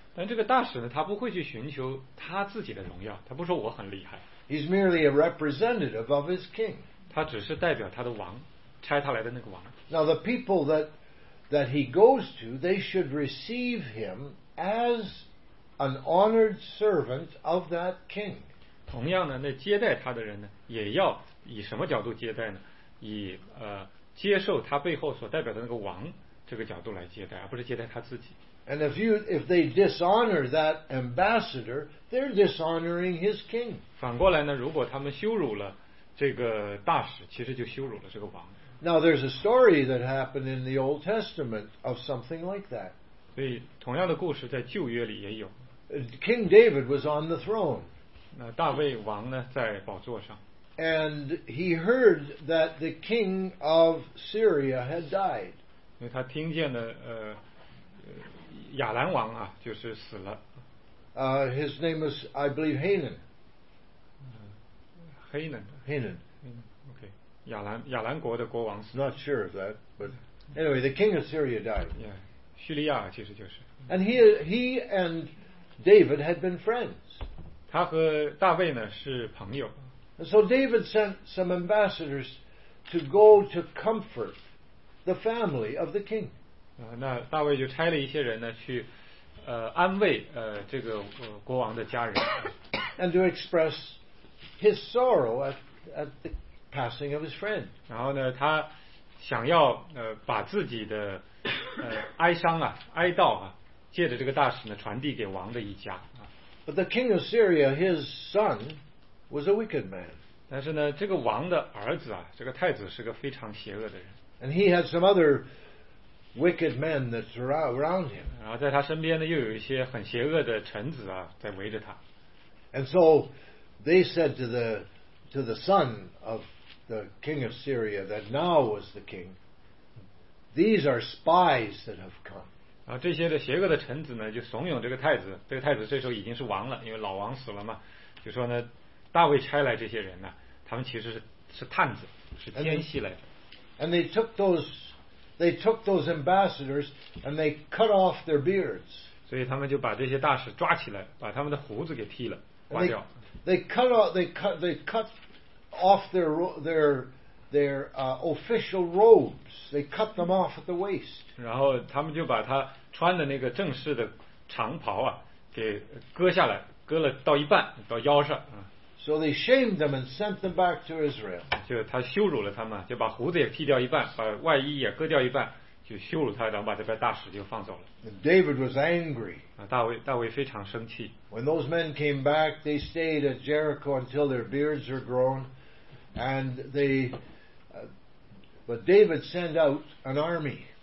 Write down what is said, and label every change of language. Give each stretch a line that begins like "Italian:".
Chinese: 但这个大使呢，他不会去寻求他自己的荣耀，他不说我很厉害。
English: He's merely a representative of his king.
Chinese: 他只是代表他的王，差他来的那个王。
English: Now the people that he goes to, they should receive him as an honored servant of that king.
Chinese: 同样呢，那接待他的人呢，也要以什么角度接待呢？以接受他背后所代表的那个王这个角度来接待，而不是接待他自己。
English: And if they dishonor that ambassador, they're dishonoring his king.
Chinese: 反过来呢，如果他们羞辱了这个大使，其实就羞辱了这个王。
English: Now there's a story that happened in the Old Testament of something like that.
Chinese: 所以同样的故事在旧约里也有。
English: King David was on the throne.
Chinese: 大卫王呢在宝座上。
English: And he heard that the king of Syria had died.
Chinese: 因为他听见的亚兰王啊就是死了。
English: His name was, I believe, Hanan.
Chinese: Hanan.
English: Okay.
Chinese: 亚兰国的国王死了。
English: Not sure of that, but anyway, the king of Syria died. Yeah.
Chinese: 叙利亚其实就是。
English: And he and David had been friends.
Chinese: 他和大卫呢是朋友。
English: So David sent some ambassadors to go to comfort the family of the king.
Chinese: 那大卫就差了一些人呢去安慰这个国王的家人。
English: And to express his sorrow at the passing of his friend.
Chinese: 然后呢他想要把自己的哀伤啊哀悼啊借着这个大使呢传递给王的一家。
English: But the king of Syria, his son, was a wicked man.
Chinese: 但是呢，这个王的儿子啊，这个太子是个非常邪恶的人。
English: And he had some other wicked men that were around him.
Chinese: 然后在他身边呢，又有一些很邪恶的臣子啊，在围着他。
English: And so they said to the son of the king of Syria that now was the king. These are spies that have come.
Chinese: 然后这些的邪恶的臣子呢，就怂恿这个太子。这个太子这时候已经是王了，因为老王死了嘛。就说呢，大卫差来这些人呢，他们其实是探子，是奸细来的。
English: And they took those ambassadors and they cut off their beards.
Chinese: 所以他们就把这些大使抓起来，把他们的胡子给剃了，刮掉。
English: They cut off their official robes. They cut them off at the waist.
Chinese: 然后他们就把他穿的那个正式的长袍啊，给割下来，割了到一半，到腰上。
English: So they shamed them and sent them back to Israel.
Chinese: 就他羞辱了他们，就把胡子也剃掉一半，把外衣也割掉一半，就羞辱他，然后把这边大使就放走了。
English: And David was angry.
Chinese: 大卫非常生气。
English: When those men came back, they stayed at Jericho until their beards were grown, and they. But David sent out an army.